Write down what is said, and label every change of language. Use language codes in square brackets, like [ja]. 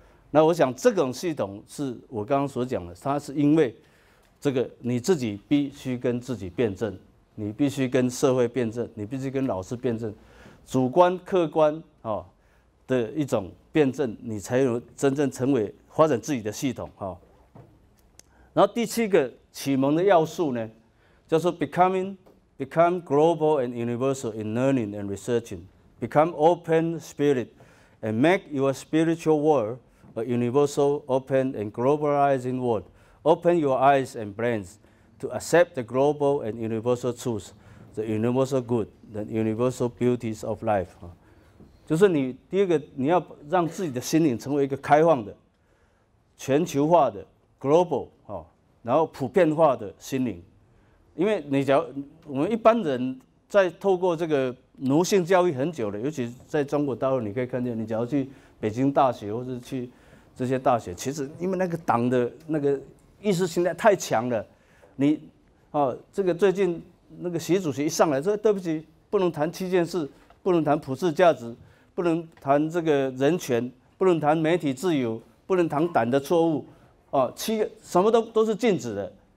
[zh] 那我想这种系统是我刚刚所讲的，它是因为这个你自己必须跟自己辩证，你必须跟社会辩证，你必须跟老师辩证，主观客观的一种辩证，你才有真正成为发展自己的系统。然后第七个启蒙的要素呢，叫做 [en] become global and universal in learning and researching, become open spirit and make your spiritual world a universal, open, and globalizing world. Open your eyes and brains to accept the global and universal truths, the universal good, the universal beauties of life. [zh] 就是你第二个，你要让自己的心灵成为一个开放的、全球化的 global 然后普遍化的心灵。因为你讲，我们一般人在透过这个奴性教育很久了，尤其在中国大陆，你可以看见，你只要去北京大学或是去这些大学，其实因为那个党的那个意识形态太强了，你啊，这个最近那个习主席一上来说，对不起，不能谈七件事，不能谈普世价值，不能谈这个人权，不能谈媒体自由，不能谈党的错误，啊，七个什么都是禁止的。